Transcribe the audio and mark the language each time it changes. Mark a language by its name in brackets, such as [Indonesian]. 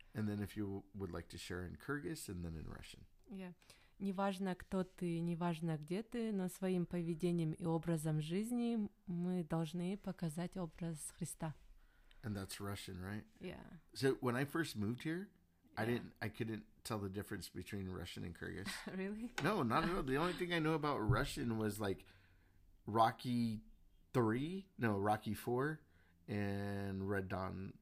[English] And then, if you would like to share in Kyrgyz and then in Russian. Yeah, [Russian] неважно кто ты, неважно где ты, но своим поведением и образом жизни мы должны показать образ Христа. [English] And that's Russian, right? Yeah. So when I first moved here, I couldn't tell the difference between Russian and Kyrgyz. Really? No, not at all. The only thing I know about Russian was like Rocky 4 and Red Dawn.